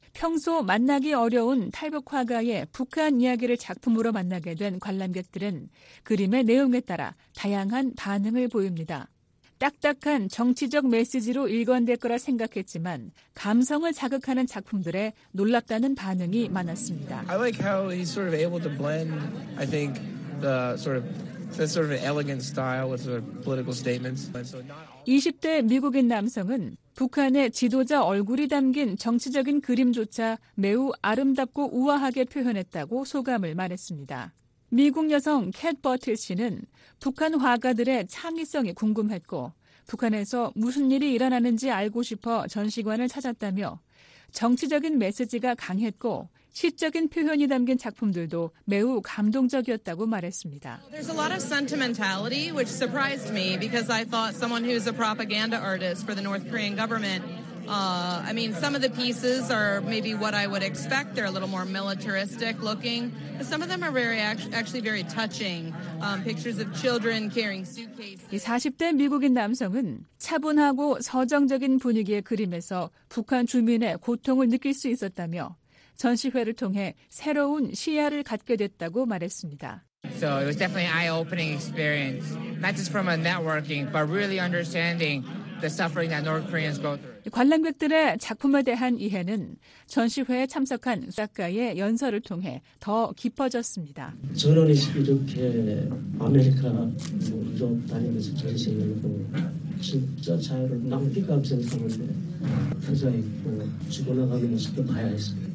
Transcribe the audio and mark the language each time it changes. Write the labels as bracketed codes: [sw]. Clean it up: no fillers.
[ko] 평소 만나기 어려운 탈북 화가의 북한 이야기를 작품으로 만나게 된 관람객들은 그림의 내용에 따라 다양한 반응을 보입니다. 딱딱한 정치적 메시지로 일관될 거라 생각했지만 감성을 자극하는 작품들에 놀랍다는 반응이 많았습니다. [en] I like how he's sort of able to blend, I think, the sort of that sort of elegant style with sort of political statements. [ko] 20대 미국인 남성은 북한의 지도자 얼굴이 담긴 정치적인 그림조차 매우 아름답고 우아하게 표현했다고 소감을 말했습니다. 미국 여성 캣 버틀 씨는 북한 화가들의 창의성이 궁금했고 북한에서 무슨 일이 일어나는지 알고 싶어 전시관을 찾았다며 정치적인 메시지가 강했고 시적인 표현이 담긴 작품들도 매우 감동적이었다고 말했습니다. [en] There's a lot of sentimentality which surprised me because I thought someone who's a propaganda artist for the North Korean government I mean some of the pieces are maybe what I would expect they're a little more militaristic looking but some of them are very actually very touching pictures of children carrying suitcases. [ko] 이 40대 미국인 남성은 차분하고 서정적인 분위기의 그림에서 북한 주민의 고통을 느낄 수 있었다며 전시회를 통해 새로운 시야를 갖게 됐다고 말했습니다. [en] So it was definitely an eye-opening experience, not just from a networking, but really understanding the suffering that North Koreans go through. [ko] 관람객들의 작품에 대한 이해는 전시회에 참석한 작가의 연설을 통해 더 깊어졌습니다. 저는 이렇게 아메리카 유럽 다니면서 전시회를 보고 진짜 자유를 낭비감에서 보는데 굉장히 죽어나가는 모습도 봐야 했습니다.